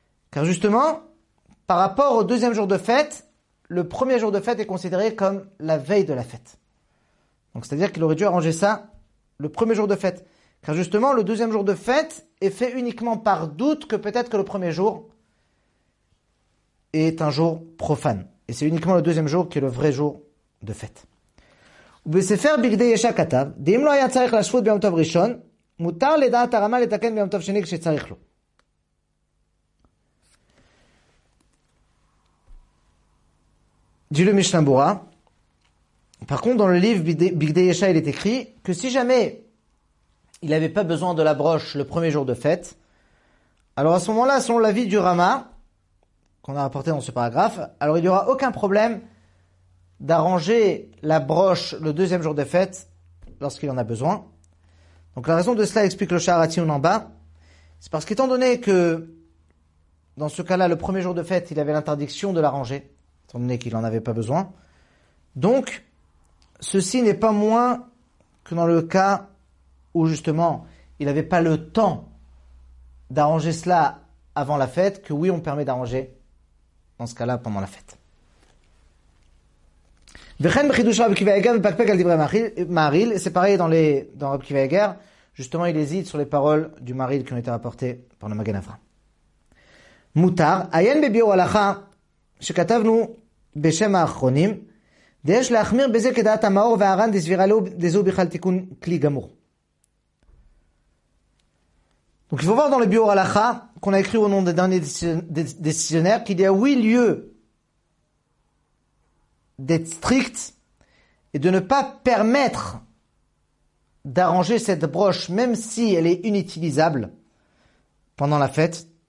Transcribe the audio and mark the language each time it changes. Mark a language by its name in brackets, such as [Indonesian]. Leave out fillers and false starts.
[French] Car justement, par rapport au deuxième jour de fête, le premier jour de fête est considéré comme la veille de la fête. Donc c'est-à-dire qu'il aurait dû arranger ça le premier jour de fête. Car justement, le deuxième jour de fête est fait uniquement par doute que peut-être que le premier jour est un jour profane. Et c'est uniquement le deuxième jour qui est le vrai jour de fête. [Hebrew] ובספר בגדי ישע כתב, דאם לא היה צריך לשפוט ביום טוב ראשון, מותר לדעת הרמה לתקן ביום טוב שני כשצריך לו. דילו משנה ברורה. [French] Par contre, dans le livre בגדי ישע, il est écrit que si jamais il n'avait pas besoin de la broche le premier jour de fête, alors à ce moment-là, selon l'avis du Rama, qu'on a rapporté dans ce paragraphe, alors il n'y aura aucun problème d'arranger la broche le deuxième jour de fête lorsqu'il en a besoin. Donc la raison de cela explique le Shahar HaTzion en bas. C'est parce qu'étant donné que dans ce cas-là, le premier jour de fête, il avait l'interdiction de l'arranger, étant donné qu'il n'en avait pas besoin. Donc, ceci n'est pas moins que dans le cas où justement, il n'avait pas le temps d'arranger cela avant la fête, que oui, on permet d'arranger dans ce cas-là pendant la fête. [Hebrew] וכן בחידוש רב עקיבא יגר מפקפק על דברי מעריל, [French] c'est pareil dans רב עקיבא יגר, justement il hésite sur les paroles du מעריל qui ont été rapportées par le מגן אברהם. [Hebrew] מותר, עיין בביאור הלכה, שכתבנו בשם האחרונים, דיש להחמיר בזה כדעת המאור והרן דסבירה לו דזו בכלל תיקון כלי גמור. [French] Donc, il faut voir dans le bureau halakha, qu'on a écrit au nom des derniers décisionnaires, qu'il y a oui lieu d'être strict et de ne pas permettre d'arranger cette broche, même si elle est inutilisable pendant la fête.